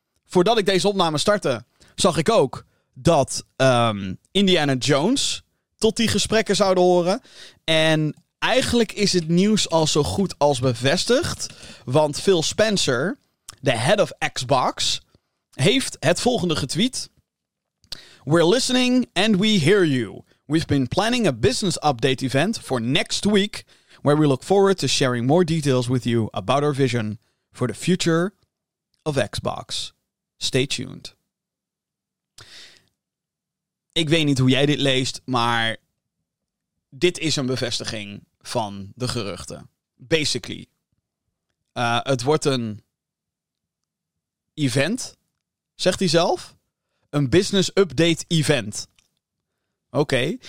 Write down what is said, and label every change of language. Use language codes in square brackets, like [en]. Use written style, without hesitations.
[nl] Voordat ik deze opname startte, zag ik ook dat Indiana Jones tot die gesprekken zouden horen. En eigenlijk is het nieuws al zo goed als bevestigd. Want Phil Spencer, de [en] head of Xbox, [nl] heeft het volgende getweet. [en] We're listening and we hear you. We've been planning a business update event for next week, where we look forward to sharing more details with you about our vision for the future of Xbox. Stay tuned. [nl] Ik weet niet hoe jij dit leest, maar dit is een bevestiging van de geruchten. [en] Basically. [nl] Het wordt een event, zegt hij zelf. Een business update event. Oké. Okay.